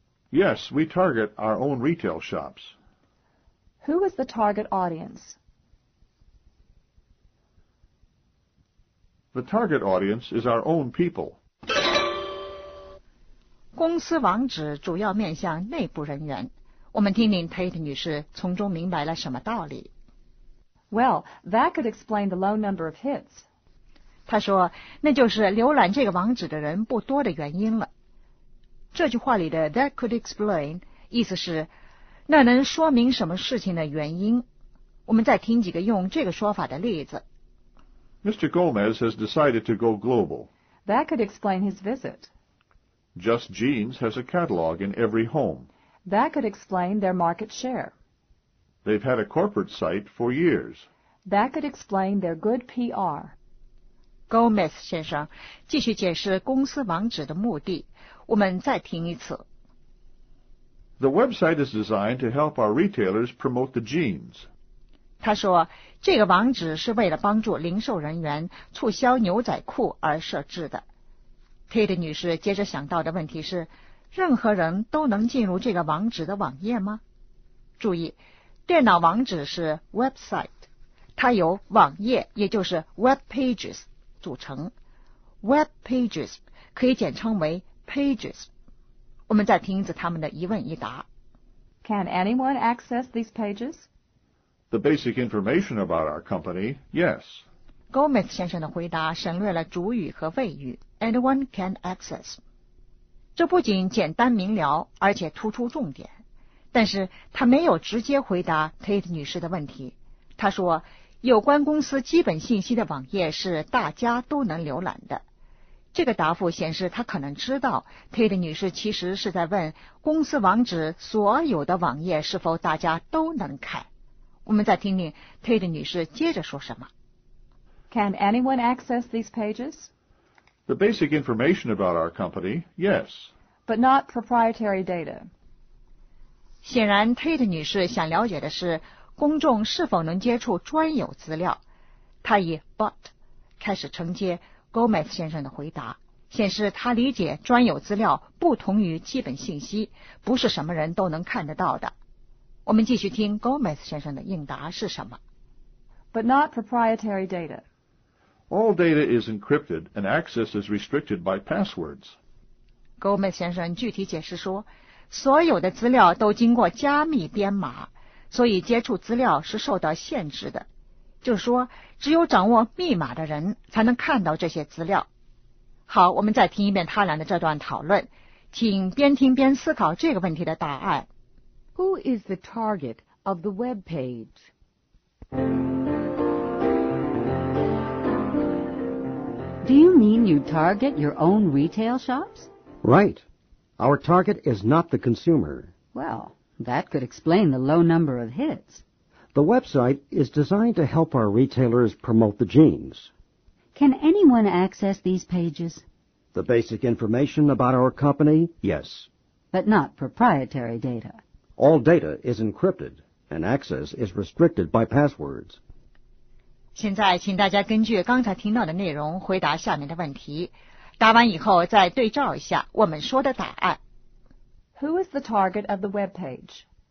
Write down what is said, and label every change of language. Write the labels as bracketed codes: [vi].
[en] Yes, we target our own retail shops. Who is the target audience? The target audience is our own people. [zh] 公司网址主要面向内部人员。我们听听 Tate 女士从中明白了什么道理。 [en] Well, that could explain the low number of hits. [zh] 她说，那就是浏览这个网址的人不多的原因了。这句话里的 [en] that could explain [zh] 意思是，那能说明什么事情的原因。我们再听几个用这个说法的例子。 [en] Mr. Gomez has decided to go global. That could explain his visit. Just Jeans has a catalog in every home. That could explain their market share. They've had a corporate site for years. That could explain their good PR. [zh] Gomez 先生，继续解释公司网址的目的。我们再听一次。 [en] The website is designed to help our retailers promote the jeans. [zh] 他说，这个网址是为了帮助零售人员促销牛仔裤而设置的。 Tate 女士接着想到的问题是，任何人都能进入这个网址的网页吗？注意，电脑网址是 website， 它由网页，也就是 web pages 组成。 web pages 可以简称为 pages。我们再听一次他们的一问一答。 [en] Can anyone access these pages? The basic information about our company, yes. [zh] Gomez 先生的回答省略了主语和谓语。 [en] Anyone can access. [zh] 这不仅简单明了，而且突出重点。但是他没有直接回答 Tate 女士的问题。他说，有关公司基本信息的网页是大家都能浏览的。这个答复显示他可能知道 Tate 女士其实是在问公司网址所有的网页是否大家都能看。我们再听听 Tate 女士接着说什么。 [en] Can anyone access these pages? The basic information about our company, yes. But not proprietary data. [zh] 显然 Tate 女士想了解的是公众是否能接触专有资料。她以 but 开始承接 Gomez 先生的回答，显示她理解专有资料不同于基本信息，不是什么人都能看得到的。我们继续听 Gomez 先生的应答是什么。 [en] But not proprietary data. All data is encrypted and access is restricted by passwords. [zh] Gomez 先生具体解释说，所有的资料都经过加密编码，所以接触资料是受到限制的。就是说，只有掌握密码的人才能看到这些资料。好，我们再听一遍他俩的这段讨论，请边听边思考这个问题的答案。 [en] Who is the target of the web page? Do you mean you target your own retail shops? Right. Our target is not the consumer. Well, that could explain the low number of hits. The website is designed to help our retailers promote the jeans. Can anyone access these pages? The basic information about our company, yes. But not proprietary data. All data is encrypted, and access is restricted by passwords. [zh] 现在请大家根据刚才听到的内容回答下面的问题，答完以后再对照一下我们说的答案。 [en] Who is the target of the web page?